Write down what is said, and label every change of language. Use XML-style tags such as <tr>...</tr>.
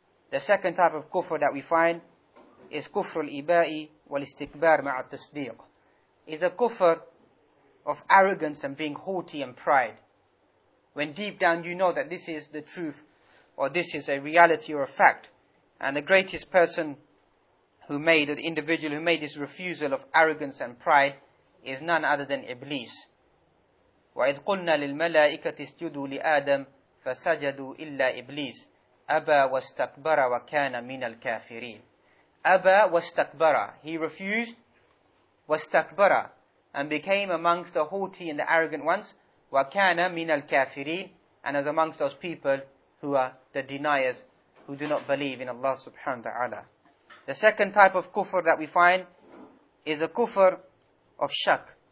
<en>The second type of kufr that we find is kufr al-ibai wal-istikbar ma'a tasdiq, is a kufr of arrogance and being haughty and pride, when deep down you know that this is the truth, or this is a reality or a fact. And the greatest person who made, or the individual who made this refusal of arrogance and pride, is none other than Iblis.</en> <ar>وَإِذْ قُلْنَا لِلْمَلَائِكَةِ اسْجُدُوا لِآدَمَ فَسَجَدُوا إِلَّا إِبْلِيسَ أَبَى وَاسْتَكْبَرَ وَكَانَ مِنَ الْكَافِرِينَ. أَبَى وَاسْتَكْبَرَ,</ar> <en>he refused,</en> <ar>وَاسْتَكْبَرَ,</ar> <en>and became amongst the haughty and the arrogant ones.</en> <ar>وَكَانَ مِنَ الْكَافِرِينَ</ar> <en>And as amongst those people who are the deniers, who do not believe in Allah subhanahu wa ta'ala. The second type of kufr that we find is a kufr of shak.</en>